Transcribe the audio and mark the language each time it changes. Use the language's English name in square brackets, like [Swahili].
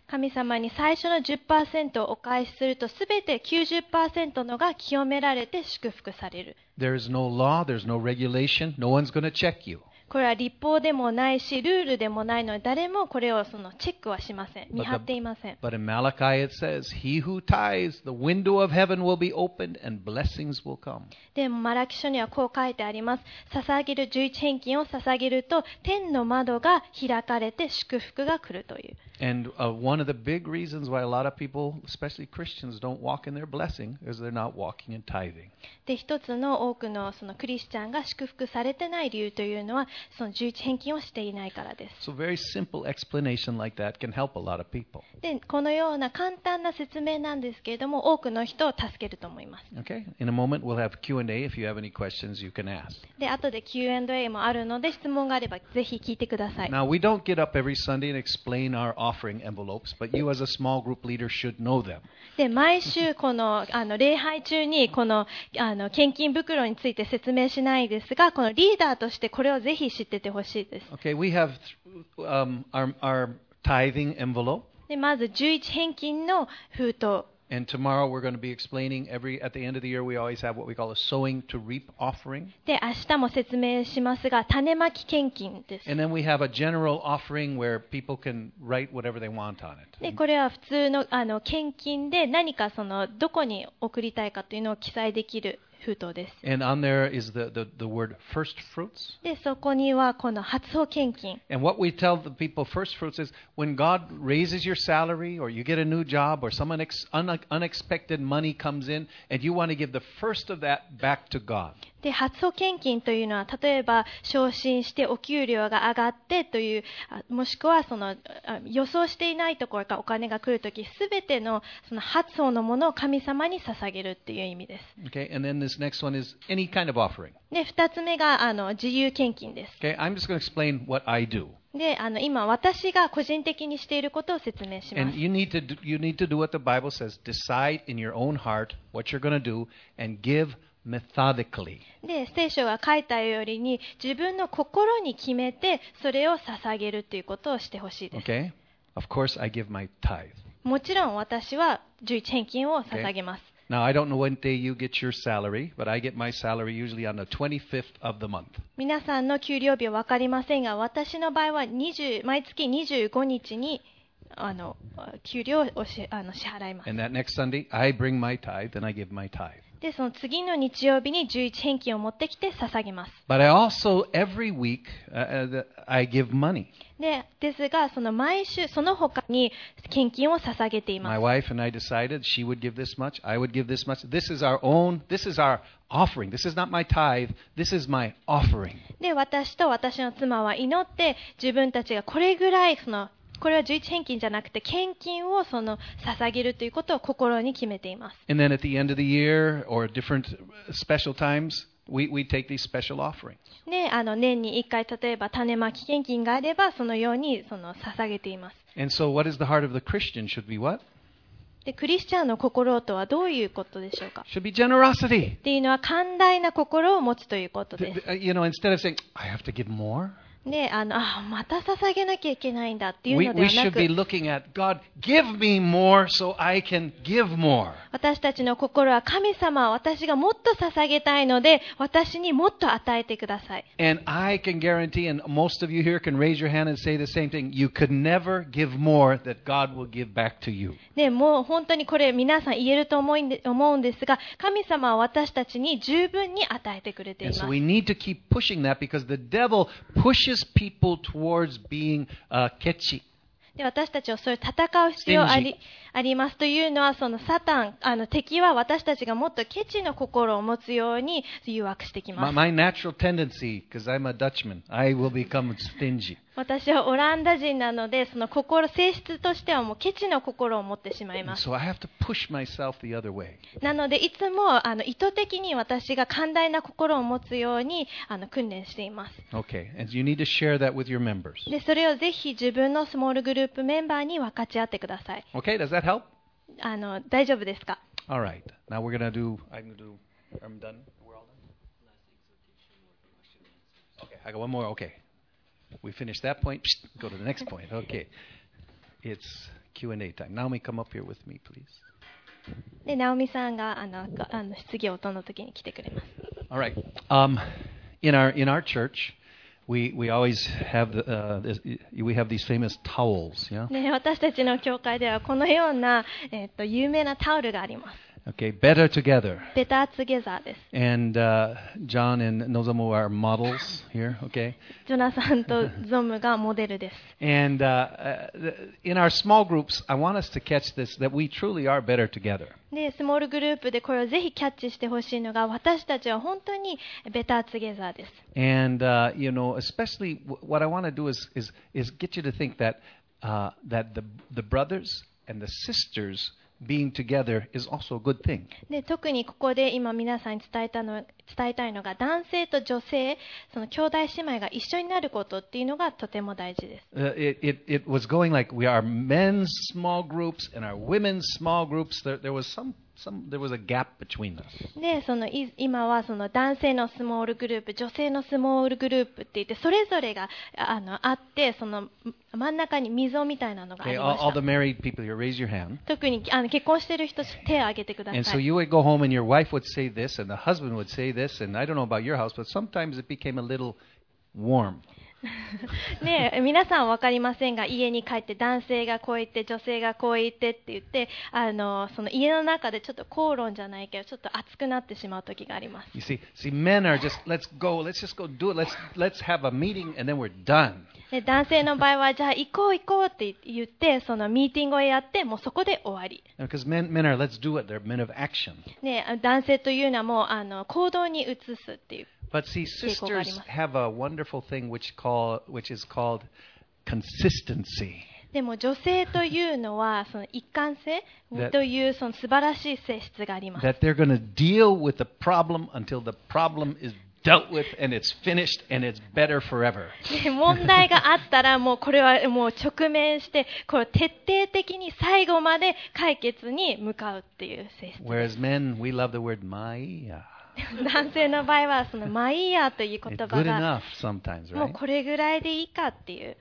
[Japanese] 神様に最初の 10% をお返しすると、すべて 90% のが清められて祝福される。 [English] There is no law, there's no regulation, no one's going to check you. [Japanese] これは立法でもないし、ルールでもないので、誰もこれをそのチェックはしません。見張っていません。 [English] But in Malachi it says, He who tithes, the window of heaven will be opened and blessings will come. [Japanese] でもマラキ書にはこう書いてあります。捧げる十一返金を捧げると、天の窓が開かれて祝福が来るという。 [English] And one of the big reasons why a lot of people, especially Christians, don't walk in their blessing is they're not walking in tithing. [Japanese] で、一つの多くのそのクリスチャンが祝福されてない理由というのは、その十一返金をしていないからです。 [English] So very simple explanation like that can help a lot of people. [Japanese] で、このような簡単な説明なんですけれども、多くの人を助けると思います。 [English] Okay, in a moment we'll have Q&A. If you have any questions, you can ask. [Japanese] で、後で Q&A もあるので、質問があればぜひ聞いてください。 [English] Now we don't get up every Sunday and explain our offering envelopes, but you as a small group leader should know them. [Japanese] で、毎週この礼拝中にこの献金袋について説明しないですが、このリーダーとしてこれをぜひ知っててほしいです。 [English] Okay, we have our tithing envelope. [Japanese] で、まず11返金の封筒。 [English] And tomorrow we're going to be explaining every at the end of the year we always have what we call a sowing to reap offering. [Japanese] で、明日も説明しますが、種まき献金です。 [English] And then we have a general offering where people can write whatever they want on it. [Japanese] で、これは普通の、あの、献金で何かそのどこに送りたいかというのを記載できる封筒です。 [English] And on there is the word first fruits. [Japanese] で、そこにはこの初穂献金。 [English] And what we tell the people first fruits is when God raises your salary or you get a new job or some unexpected money comes in and you want to give the first of that back to God. [Japanese] で、初穂献金というのは例えば昇進してお給料が上がってというもしくはその予想していないところからお金が来るとき、すべてのその初穂のものを神様に捧げるっていう意味です。 [English] Okay, and then this next one is any kind of offering. [Japanese] で、2つ目があの自由献金です。 [English] Okay, I'm just going to explain what I do. [Japanese] で、あの、今私が個人的にしていることを説明します。 [English] And you need to do what the Bible says. Decide in your own heart what you're going to do and give methodically. [Japanese] で、聖書が書いたよりに自分の心に決めてそれを捧げるということをしてほしいです。 [English] Okay. Of course, I give my tithe. [Japanese] もちろん私は11返金を捧げます。 [English] Okay. Now, I don't know what day you get your salary, but I get my salary usually on the 25th of the month. [Japanese] 皆さんの給料日は分かりませんが、私の場合は毎月25日にあの給料をあの支払います。 [English] And that next Sunday, I bring my tithe and I give my tithe. [Japanese] で、その次の日曜日に11返金を持ってきて捧げます。 [English] But I also, every week, I give money. [Japanese] で、ですが、その毎週、その他に献金を捧げています。 [English] My wife and I decided she would give this much, I would give this much. This is our own, this is our offering. This is not my tithe, this is my offering. [Japanese] で、私と私の妻は祈って、自分たちがこれぐらい、その、これは11返金じゃなくて献金をその捧げるということを心に決めています。 [English] And then at the end of the year or different special times, we take these special offerings. [Japanese] ね、あの年に1回例えば種まき献金があればそのようにその捧げています。 [English] And so what is the heart of the Christian should be what? [Japanese] で、クリスチャンの心とはどういうことでしょうか? [English] Should be generosity. [Japanese] っていうのは寛大な心を持つということです。 [English] You know, instead of saying, I have to give more. [Japanese] で、あの、ああ、また捧げなきゃいけないんだっていうのではなく、 [English] We should be looking at God, give me more so I can give more. [Japanese] 私たちの心は神様、私がもっと捧げたいので、私にもっと与えてください。 [English] And I can guarantee, and most of you here can raise your hand and say the same thing, you could never give more that God will give back to you. [Japanese] で、もう本当にこれ皆さん言えると思うんですが、神様は私たちに十分に与えてくれています。 [English] And so we need to keep pushing that because the devil pushes people towards being [Japanese] ケチ。で、私たちをそれ戦う必要ありますというのはそのサタン、あの敵は私たちがもっとケチの心を持つように誘惑してきます。 [English] My natural tendency, because I'm a Dutchman, I will become stingy. [Japanese] 私はオランダ人なので、その心性質としてはもうケチの心を持ってしまいます。 [English] So I have to push myself the other way. [Japanese] なのでいつもあの意図的に私が寛大な心を持つようにあの訓練しています。 [English] Okay, and you need to share that with your members. [Japanese] で、それをぜひ自分のスモールグループメンバーに分かち合ってください。 [English] Okay, does that help? [Japanese] あの大丈夫ですか? [English] All right. Now we're gonna do. I'm done. We're all done. Okay, I got one more. Okay. We finish that point. Psst, go to the next point. Okay. It's Q&A time. Naomi, come up here with me, please. [Japanese] で、ナオミさんがあの、あの、質疑応答の時に来てくれます。 [English] All right. In our church, we always have we have these famous towels, yeah? [Japanese] ね、私たちの教会ではこのような、有名なタオルがあります。 [English] Okay, better together. Better together [Japanese] です。 [English] And John and Nozomu are models here, okay? [Japanese] ジョナサンとゾムがモデルです。 [English] And in our small groups, I want us to catch this, that we truly are better together. [Japanese] で、スモールグループでこれをぜひキャッチしてほしいのが、私たちは本当に [English] better together [Japanese] です。 [English] And you know, especially what I want to do is get you to think that, that the brothers and the sistersBeing together is also a good thing. [Japanese] で、特にここで今皆さんに伝えたいのが、男性と女性、その兄弟姉妹が一緒になることっていうのがとても大事です。 [English] It was going like we are men's small groups and our women's small groups. There was some there was a gap between us. [Japanese] で、その今はその男性のスモールグループ、女性のスモールグループって言って、それぞれがあって、その真ん中に溝みたいなのがありました。 [English] Okay, all the married people, you raise your hand. [Japanese] 特に結婚してる人、手を挙げてください。 [English] And so you would go home and your wife would say this and the husband would say this and I don't know about your house, but sometimes it became a little warm. [Japanese] ね、皆さん分かりませんが、家に帰って男性がこう言って女性がこう言ってって言って、その家の中でちょっと口論じゃないけどちょっと熱くなってしまう時があります。 [English] You see, men are just let's go, let's just go do it, let's have a meeting and then we're done. [Japanese] で、男性の場合はじゃあ行こう行こうって言ってそのミーティングをやってもうそこで終わり。 [English] Because men are let's do it, they're men of action. [Japanese] ね、男性というのはもう行動に移すっていう。 [English] But see, sisters have a wonderful thing which is called consistency. [Japanese] でも女性というのはその一貫性というその素晴らしい性質があります。 [English] That they're going to deal with the problem until the problem is dealt with and it's finished and it's better forever. [Japanese] 問題があったらもうこれはもう直面してこれ徹底的に最後まで解決に向かうっていう性質。 [English] Whereas men, we love the word my. [Japanese] 男性の場合はそのまあいいやという言葉が [English] good enough sometimes, right? [Japanese] もうこれぐらいでいいかっていう。